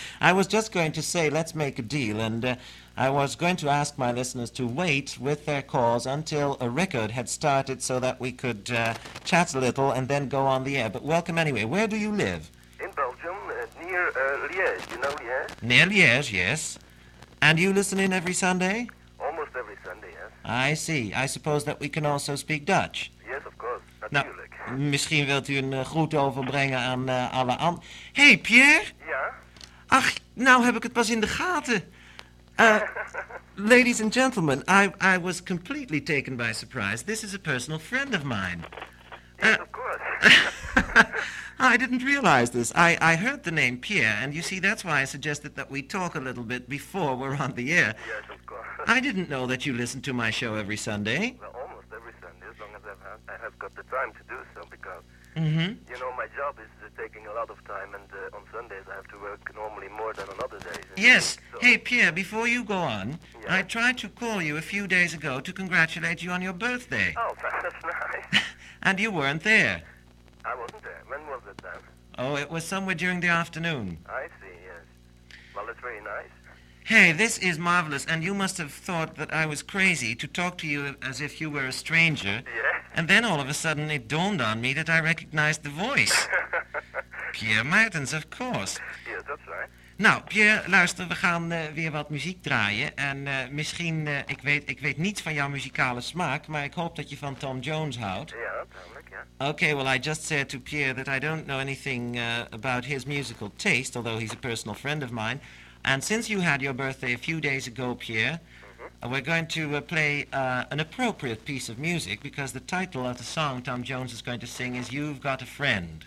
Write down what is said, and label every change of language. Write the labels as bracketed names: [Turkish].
[English] I was just going to say, let's make a deal, and I was going to ask my listeners to wait with their calls until a record had started so that we could chat a little and then go on the air. But welcome anyway. Where do you live? In Belgium, near Liège. You know Liège? Near Liège, yes. And you listen in every Sunday? Almost every Sunday, yes. I see. I suppose that we can also speak Dutch. Yes, of course. Natuurlijk. [Dutch] Nou, misschien wilt u een groet overbrengen aan alle anderen. Hey, Pierre? Ja? Ach, nou heb ik het pas in de gaten. [English] ladies and gentlemen, I was completely taken by surprise. This is a personal friend of mine. Yes, of course. I didn't realize this. I heard the name Pierre, and you see, that's why I suggested that we talk a little bit before we're on the air. Yes, of course. I didn't know that you listened to my show every Sunday. Well, almost every Sunday, as long as I have got the time to do so, because, mm-hmm. You know, my job is taking a lot of time, and on Sundays I have to work normally more than on other days. Yes. Hey, Pierre, before you go on, yeah. I tried to call you a few days ago to congratulate you on your birthday. Oh, that's nice. And you weren't there. I wasn't there. When was it then? Oh, it was somewhere during the afternoon. I see, yes. Well, it's very nice. Hey, this is marvelous, and you must have thought that I was crazy to talk to you as if you were a stranger. Yes. And then all of a sudden it dawned on me that I recognized the voice. Pierre Maertens, of course. Yes, that's right. [Dutch] Nou, Pierre, luister, we gaan weer wat muziek draaien. En misschien, ik weet niets van jouw muzikale smaak, maar ik hoop dat je van Tom Jones houdt. Ja, duidelijk, ja. [English] Okay, well, I just said to Pierre that I don't know anything about his musical taste, although he's a personal friend of mine. And since you had your birthday a few days ago, Pierre, mm-hmm. We're going to play an appropriate piece of music, because the title of the song Tom Jones is going to sing is You've Got a Friend.